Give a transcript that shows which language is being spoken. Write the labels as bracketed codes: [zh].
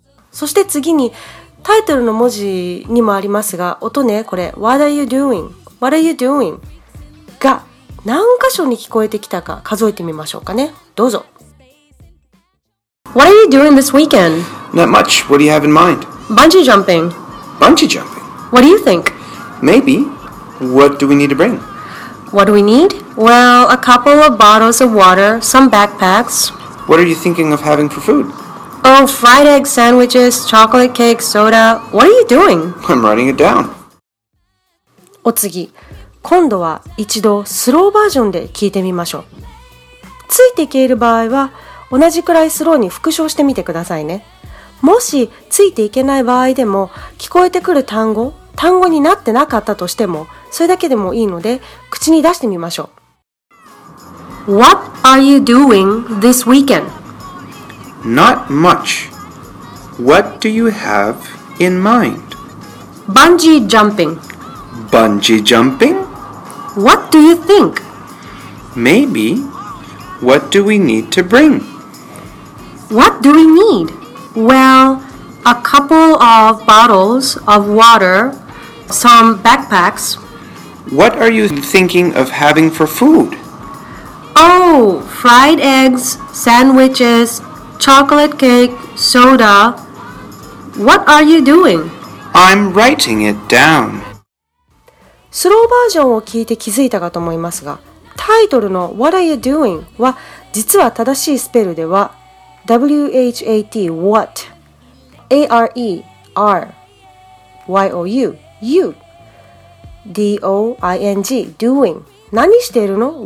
[ja] そして次にタイトルの文字にもありますが、音ね、これ [en] What are you doing? What are you doing? [ja] が何箇所に聞こえてきたか数えてみましょうかね。どうぞ。 [en] What are you doing this weekend? Not much. What do you have in mind? Bungee jumping. Bungee jumping? What do you think? Maybe. What do we need to bring? What do we need? Well, a couple of bottles of water, some backpacks. What are you thinking of having for food? Oh, fried egg sandwiches, chocolate cake, soda. What are you doing? I'm writing it down. [ja] お次、今度は一度スローバージョンで聞いてみましょう。ついていける場合は同じくらいスローに復唱してみてくださいね。もしついていけない場合でも、聞こえてくる単語になってなかったとしてもそれだけでもいいので口に出してみましょう。 [en] What are you doing this weekend? Not much. What do you have in mind? Bungee jumping. Bungee jumping? What do you think? Maybe. What do we need to bring? What do we need? Well, a couple of bottles of water, some backpacks. What are you thinking of having for food? Oh, fried eggs, sandwiches,Chocolate cake, soda. What are you doing? I'm writing it down. [ja] スローバージョンを聞いて気づいたかと思いますが、タイトルの [en] What are you doing? [ja] は実は正しいスペルでは W-H-A-T What A-R-E-R Y-O-U You D-O-I-N-G Doing 何してるの?